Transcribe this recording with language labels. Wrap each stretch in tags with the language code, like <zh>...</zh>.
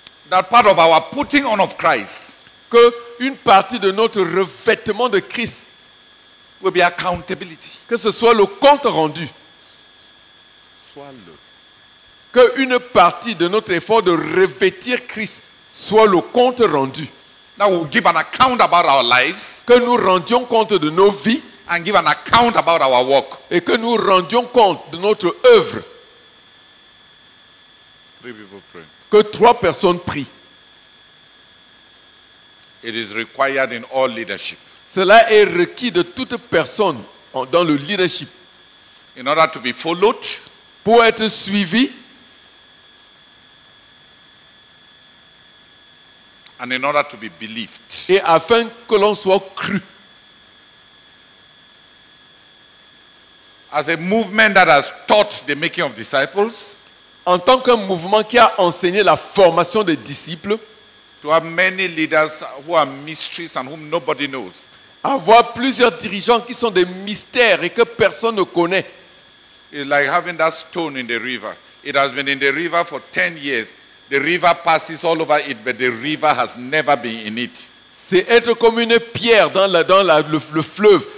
<en>That part of our putting on of Christ.</en> <fr>Que une partie de notre revêtement de Christ</fr> <en>will be accountability.</en> <fr>Que ce soit le compte rendu. Que une partie de notre effort de revêtir Christ soit le compte rendu.</fr> <en>That we'll give an account about our lives.</en> <fr>Que nous rendions compte de nos vies.</fr> <en>And give an account about our work.</en> <fr>Et que nous rendions compte de notre œuvre.</fr> <en>Three people pray.</en> <fr>Que trois personnes prient.</fr> <en>It is required in all leadership.</en> <fr>Cela est requis de toute personne dans le leadership.</fr> <en>In order to be followed.</en> <fr>Pour être suivi.</fr> <en>And in order to be believed.</en> <fr>Et afin que l'on soit cru.</fr> <en>As a movement that has taught the making of disciples,</en> <fr>en tant qu'un mouvement qui a enseigné la formation des disciples,</fr> <en>to have many leaders who are mysteries and whom nobody knows,</en> <fr>avoir plusieurs dirigeants qui sont des mystères et que personne ne connaît,</fr> <en>is like having that stone in the river. It has been in the river for 10 years. The river passes all over it, but the river has never been in it.</en> <fr>C'est être comme une pierre dans le fleuve.</fr>